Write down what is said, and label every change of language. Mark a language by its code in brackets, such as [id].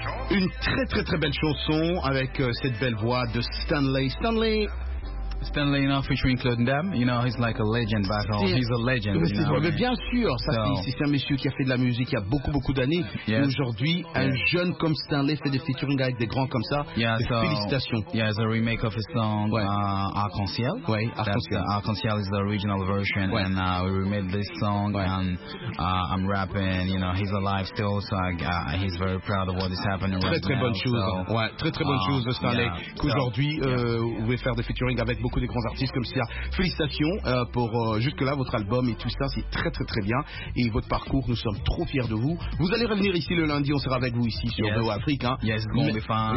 [fr] Une très très très belle chanson avec cette belle voix de Stanley. Stanley, [en] you know, featuring Claude Ndam, you know, he's like a legend back home. He's a legend. [fr] Mais, [en] you know, [fr] mais bien sûr, ça, c'est un monsieur qui a fait de la musique il y a beaucoup beaucoup d'années. [en] Yes. [fr] Aujourd'hui, [en] yes. [fr] Un jeune comme Stanley fait des featuring avec des grands comme ça. [en] Yeah, so, [fr] félicitations. [en] Yeah, it's a remake of his song, ouais. [fr] Arc-en-ciel. Oui, Arc-en-ciel. [en] Arc-en-ciel is the original version, [fr] ouais. [en] And we remade this song, ouais. And I'm rapping, you know, he's alive still, so he's very proud of what is happening [fr] très, [en] right [fr] très [en] now. [fr] Très très bonne chose, [en] so, [fr] ouais, très très bonne chose, Stanley, yeah, qu'aujourd'hui, so, vous pouvez faire des featuring avec beaucoup beaucoup des grands artistes comme ça. Félicitations pour jusque-là, votre album et tout ça, c'est très très très bien. Et votre parcours, nous sommes trop fiers de vous. Vous allez revenir ici le lundi, on sera avec vous ici sur VOA Afrique. Yes, bon, mais fin.